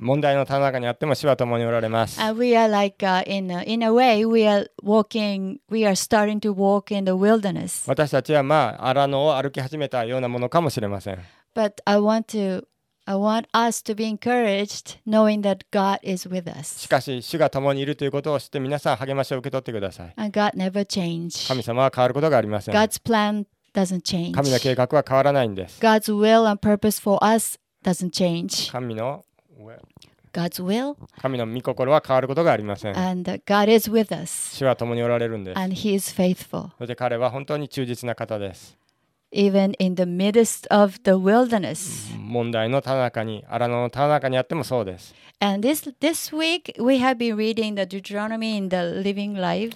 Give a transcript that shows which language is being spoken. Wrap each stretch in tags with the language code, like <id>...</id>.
<ja>問題の棚の中にあっても主は共におられます。</ja> <en>We are like in a way we are walking, we are starting to walk in the wilderness.</en> <ja>私たちはまあ荒野を歩き始めたようなものかもしれません。</ja> <en>But I want us to be encouraged, knowing that God is with us.</en> <ja>しかし主が共にいるということを知って皆さん励ましを受け取ってください。</ja> <en>And God never changes.</en> <ja>神様は変わることがありません。</ja> <en>God's plan doesn't change.</en> <ja>神の計画は変わらないんです。</ja> <en>God's will and purpose for us doesn't change.</en> <ja>神の</ja> <en>God's will.</en> <ja>神の御心は変わることがありません。</ja> <en>And God is with us.</en> <ja>主は共におられるんです。</ja> <en>And He is faithful.</en> <ja>そして彼は本当に忠実な方です。</ja> <en>Even in the midst of the wilderness.</en> <ja>問題の棚の中に、荒野の棚の中にあってもそうです。</ja> <en>And this week we have been reading the Deuteronomy in the Living Life.</en>